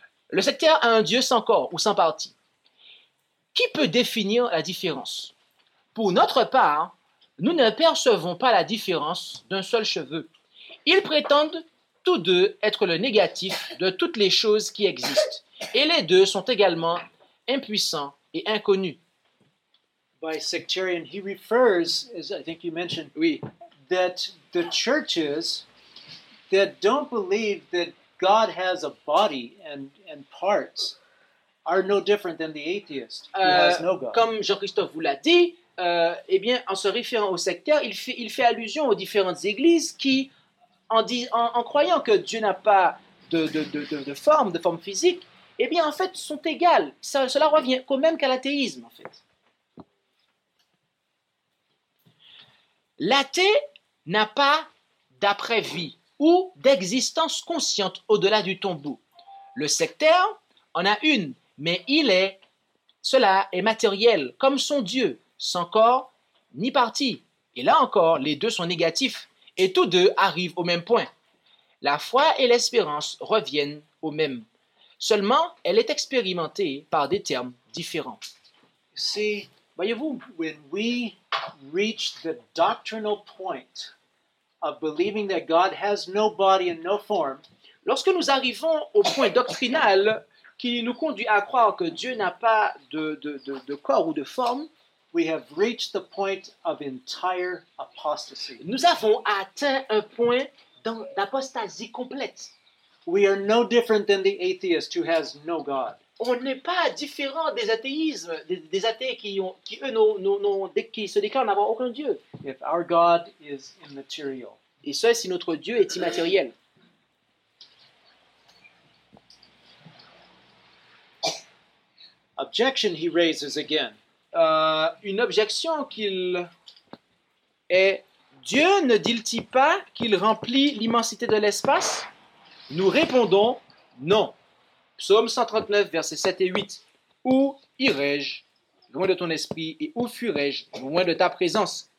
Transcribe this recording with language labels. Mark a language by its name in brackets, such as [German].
[French] Le sectaire a un Dieu sans corps ou sans partie. Qui peut définir la différence? Pour notre part, nous ne percevons pas la différence d'un seul cheveu. Ils prétendent tous deux être le négatif de toutes les choses qui existent. Et les deux sont également impuissants et inconnus. [English] By sectarian, he refers, as I think you mentioned, [French] oui, [English] that the churches that don't believe that God has a body and parts are no different than the atheist who has no God. [French] Comme Jean-Christophe vous l'a dit, eh bien, en se référant au sectaire, il fait allusion aux différentes églises qui, en croyant que Dieu n'a pas de forme physique, eh bien, en fait, sont égales. Cela revient quand même qu'à l'athéisme, en fait. L'athée n'a pas d'après-vie ou d'existence consciente au-delà du tombeau. Le sectaire en a une. Mais cela est matériel, comme son Dieu, sans corps ni partie. Et là encore, les deux sont négatifs, et tous deux arrivent au même point. La foi et l'espérance reviennent au même. Seulement, elle est expérimentée par des termes différents. [English] See, [French] voyez-vous, [English] when we reach the doctrinal point of believing that God has no body and no form, [French] lorsque nous arrivons au point doctrinal qui nous conduit à croire que Dieu n'a pas de corps ou de forme, [English] we have reached the point of entire apostasy. [French] Nous avons atteint un point d'apostasie complète. [English] We are no different than the atheist who has no God. [French] On n'est pas différent des athéismes, des athées qui eux qui se déclarent n'avoir aucun Dieu. [English] If our God is immaterial. [French] Et ce, si notre Dieu est immatériel. [English] Objection he raises again. [French] Une objection qu'il est. Dieu ne dit-il pas qu'il remplit l'immensité de l'espace? Nous répondons non. Psaume 139, versets 7 et 8. Où irai-je loin de ton esprit et où fuirai-je loin de ta présence?